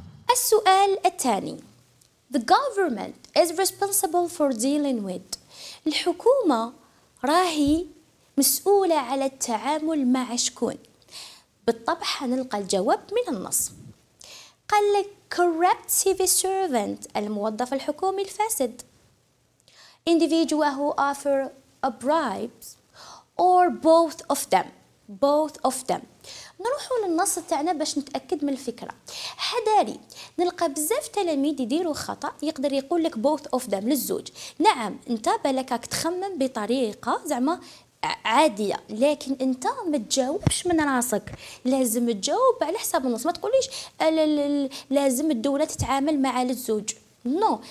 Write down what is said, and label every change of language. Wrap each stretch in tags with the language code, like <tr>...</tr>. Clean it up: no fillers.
<ar>السؤال الثاني:</ar> <en>the government is responsible for dealing with.</en> <ar>الحكومة راهي مسؤولة على التعامل مع شكون؟ بالطبع هنلقى الجواب من النص. قال لك</ar> <en>corrupt civil servant،</en> <ar>الموظف الحكومي الفاسد.</ar> <en>individual who offer a bribes or both of them. both of them.</en> <ar>نروحوا للنص تاعنا باش نتاكد من الفكره. حذاري، نلقى بزاف تلاميذ يديروا خطا، يقدر يقول لك</ar> <en>both of them</en> <ar>للزوج. نعم انت بالك راك تخمم بطريقه زعما عادية، لكن انت ما تجاوبش من راسك، لازم تجاوب على حساب النص. ما تقوليش لازم الدولة تتعامل مع الزوج، نو.</ar>